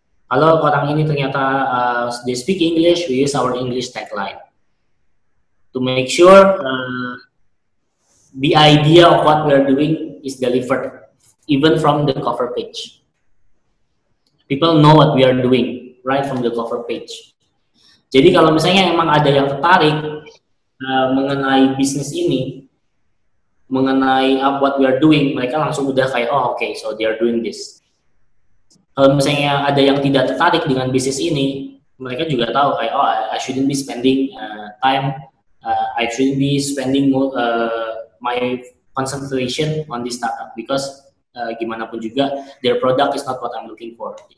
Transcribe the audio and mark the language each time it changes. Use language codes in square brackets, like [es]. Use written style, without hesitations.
[id] Kalau orang ini ternyata [en] they speak English, we use our English tagline. To make sure the idea of what we are doing is delivered, even from the cover page. People know what we are doing right from the cover page. [id] Jadi kalau misalnya emang ada yang tertarik mengenai bisnis ini, mengenai [en] what we are doing, [id] mereka langsung udah kayak, [en] oh okay, so they are doing this. [id] Kalau misalnya ada yang tidak tertarik dengan bisnis ini, mereka juga tahu kayak, [en] oh I shouldn't be spending time, I shouldn't be spending my concentration on this startup, because [id] gimana pun juga, [en] their product is not what I'm looking for.